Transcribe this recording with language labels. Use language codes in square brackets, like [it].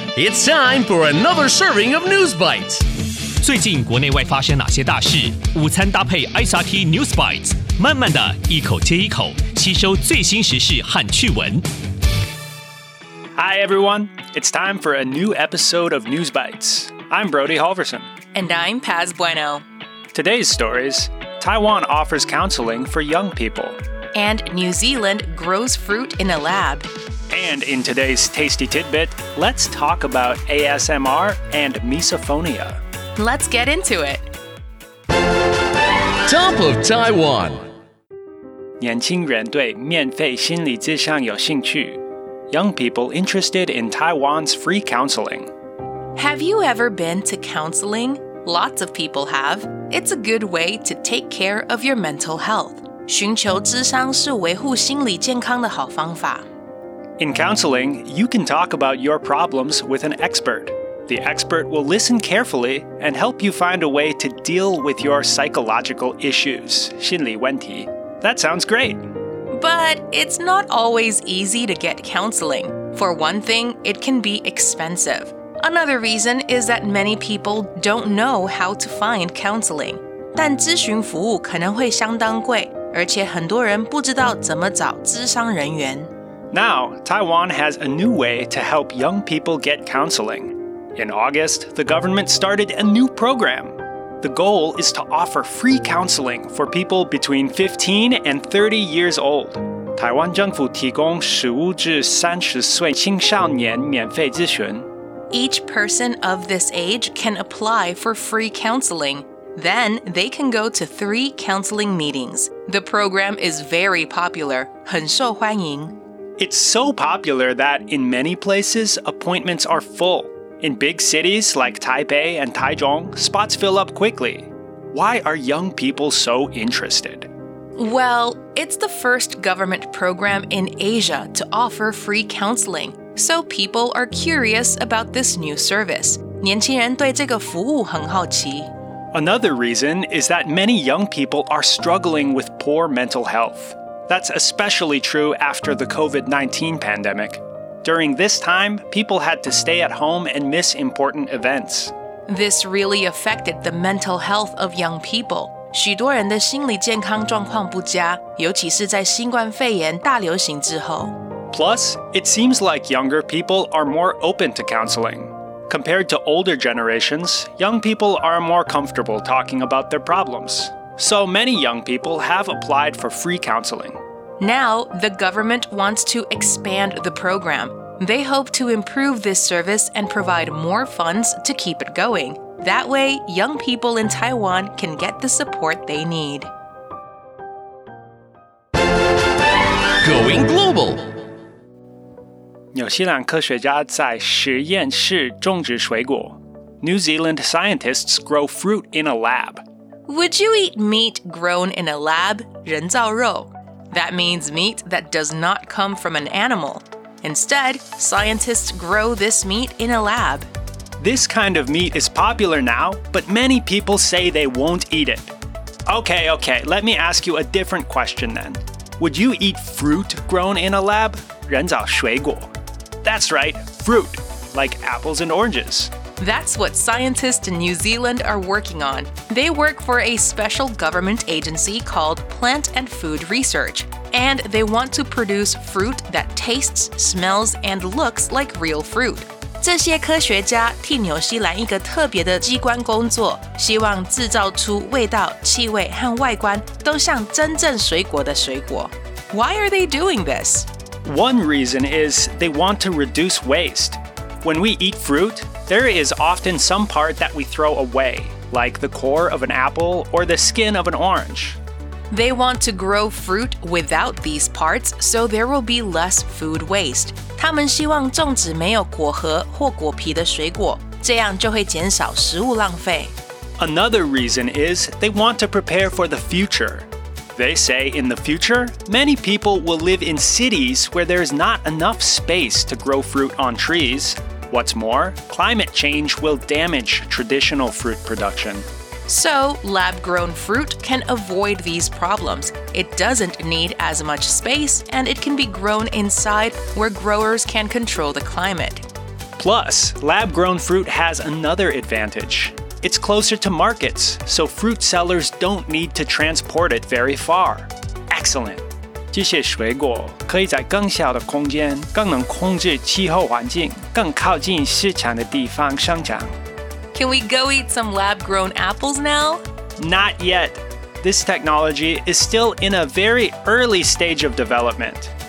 [en] It's time for another serving of News Bites. [zh] 最近国内外发生哪些大事？午餐搭配 SRT News Bites， 慢慢的一口接一口，吸收最新时事和趣闻。 [en] Hi everyone, it's time for a new episode of News Bites. I'm Brody Halverson. And I'm Paz Bueno. Today's stories: Taiwan offers counseling for young people. And New Zealand grows fruit in a lab. And in today's Tasty Tidbit, let's talk about ASMR and misophonia. Let's get into it. Top of Taiwan. [zh] 年轻人对免费心理諮商有興趣。 [en] Young people interested in Taiwan's free counseling. Have you ever been to counseling? Lots of people have. It's a good way to take care of your mental health. [zh] 尋求諮商是維護心理健康的好方法。 [en] In counseling, you can talk about your problems with an expert. The expert will listen carefully and help you find a way to deal with your psychological issues. [zh] 心理問題。 [en] That sounds great. But it's not always easy to get counseling. For one thing, it can be expensive. Another reason is that many people don't know how to find counseling. [zh] 但諮詢服務可能會相當貴，而且很多人不知道怎麼找諮商人員。 [en] Now, Taiwan has a new way to help young people get counseling. In August, the government started a new program. The goal is to offer free counseling for people between 15 and 30 years old. [zh] 台湾政府提供15至30岁青少年免费咨询。 [en] Each person of this age can apply for free counseling. Then, they can go to 3 counseling meetings. The program is very popular, [zh] 很受欢迎。 [en] It's so popular that in many places, appointments are full. In big cities like Taipei and Taichung, spots fill up quickly. Why are young people so interested? Well, it's the first government program in Asia to offer free counseling, so people are curious about this new service. [zh] 年轻人对这个服务很好奇。 [en] Another reason is that many young people are struggling with poor mental health. That's especially true after the COVID-19 pandemic. During this time, people had to stay at home and miss important events. This really affected the mental health of young people. [zh] 许多人的心理健康状况不佳，尤其是在新冠肺炎大流行之后。 [en] Plus, it seems like younger people are more open to counseling. Compared to older generations, young people are more comfortable talking about their problems. So many young people have applied for free counseling. Now, the government wants to expand the program. They hope to improve this service and provide more funds to keep it going. That way, young people in Taiwan can get the support they need. Going global. [zh] 紐西蘭科學家在實驗室種植水果。 [en] New Zealand scientists grow fruit in a lab. Would you eat meat grown in a lab? [zh] 人造肉。 [en] That means meat that does not come from an animal. Instead, scientists grow this meat in a lab. This kind of meat is popular now, but many people say they won't eat it. Okay, let me ask you a different question then. Would you eat fruit grown in a lab? [zh] 人造水果。 [en] That's right, fruit, like apples and oranges. That's what scientists in New Zealand are working on. They work for a special government agency called Plant and Food Research, and they want to produce fruit that tastes, smells, and looks like real fruit. [zh] 这些科学家替纽西兰一个特别的机关工作，希望制造出味道、气味和外观都像真正水果的水果。 [en] Why are they doing this? One reason is they want to reduce waste. When we eat fruit, there is often some part that we throw away, like the core of an apple or the skin of an orange. They want to grow fruit without these parts, so there will be less food waste. [zh] 他们希望种植没有果核或果皮的水果，这样就会减少食物浪费。 [en] Another reason is they want to prepare for the future. They say in the future, many people will live in cities where there is not enough space to grow fruit on trees. What's more, climate change will damage traditional fruit production. So, lab-grown fruit can avoid these problems. It doesn't need as much space, and it can be grown inside where growers can control the climate. Plus, lab-grown fruit has another advantage. It's closer to markets, so fruit sellers don't need to transport it very far. Excellent! [zh] 这些水果可以在更小的空间、更能控制气候环境、更靠近市场的地方生长。 [en] Can we go eat some lab-grown apples now? Not yet. This technology is still in a very early stage of development.